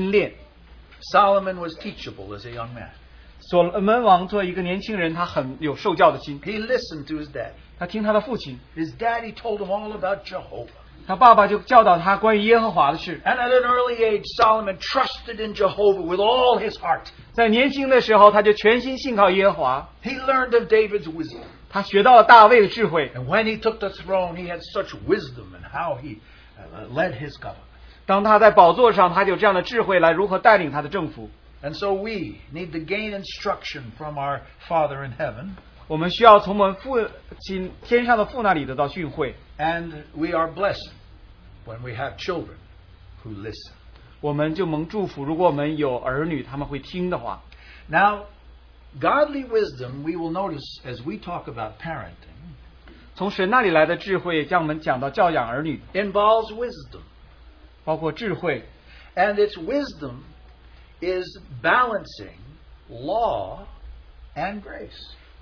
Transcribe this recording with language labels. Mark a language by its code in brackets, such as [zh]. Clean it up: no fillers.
[zh] 我儿,你要听,要听你父亲的训诲,不可离弃你母亲的法则,因为这要做你头上的华冠,你项上的金链。Solomon [en] was teachable as a young man. [zh] 所罗门王作为一个年轻人,他很有受教的心。 [en] He listened to his dad. [zh] 他听他的父亲。 [en] His daddy told him all about Jehovah. [zh] 他爸爸就教导他关于耶和华的事。 [en] And at an early age, Solomon trusted in Jehovah with all his heart. [zh] 在年轻的时候,他就全心信靠耶和华。 [en] He learned of David's wisdom. [zh] 他学到了大卫的智慧。 [en] And when he took the throne, he had such wisdom in how he led his government. [zh] 当他在宝座上,他就这样的智慧来如何带领他的政府。 [en] And so we need to gain instruction from our Father in heaven. [zh] 我们需要从我们父亲天上的父那里得到训诲。 [en] And we are blessed when we have children who listen. [zh] 我们就蒙祝福,如果我们有儿女,他们会听的话。 [en] Now, godly wisdom, we will notice as we talk about parenting, [zh] 从神那里来的智慧,将我们讲到教养儿女, [en] involves wisdom. [zh] 包括智慧。 [en] And its wisdom is balancing law and grace.